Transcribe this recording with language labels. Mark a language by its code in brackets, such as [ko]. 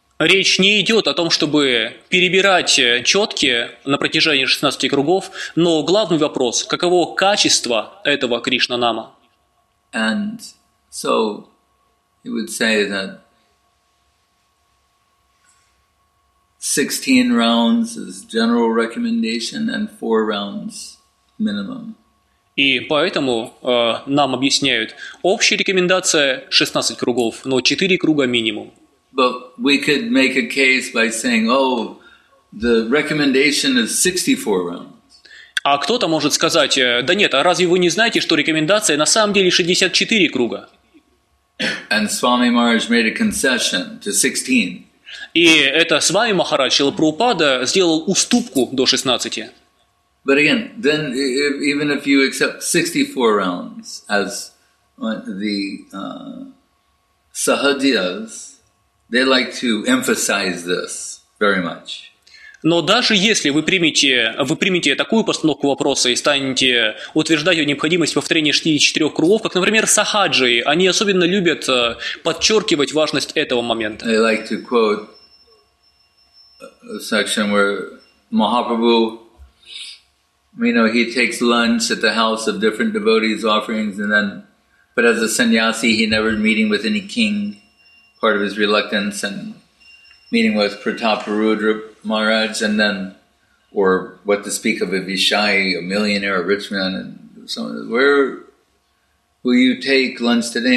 [ru] Речь не идет о том, чтобы перебирать четки на протяжении 16 кругов, но главный вопрос – каково качество этого Кришна-нама? [en] And so, he would say that 16 rounds is general recommendation and 4 rounds minimum. [ru] И поэтому нам объясняют, общая рекомендация – 16 кругов, но 4 круга минимум. [en] But we could make a case by saying, "Oh, the recommendation is 64 rounds." [ru] А кто-то может сказать: "Да нет, а разве вы не знаете, что рекомендация на самом деле 64 круга?" [en] And Swami Maharaj made a concession to 16. [ru] И это Свами Махарадж Шрила Прабхупада сделал уступку до 16. [en] But again, then even if you accept 64 rounds as the sahajiyas, they like to emphasize this very much. [ru] Но даже если вы примете такую постановку вопроса и станете утверждать необходимость повторения 64 кругов, как, например, сахаджи, они особенно любят подчеркивать важность этого момента. [en] They like to quote a section where Mahaprabhu, he takes lunch at the house of different devotees' offerings, but as a sannyasi, he never meeting with any king. Part of his reluctance and meeting with Prataparudra Maharaj, and then, or what to speak of a Vishai, a millionaire, a rich man, and someone says, "Where will you take lunch today?"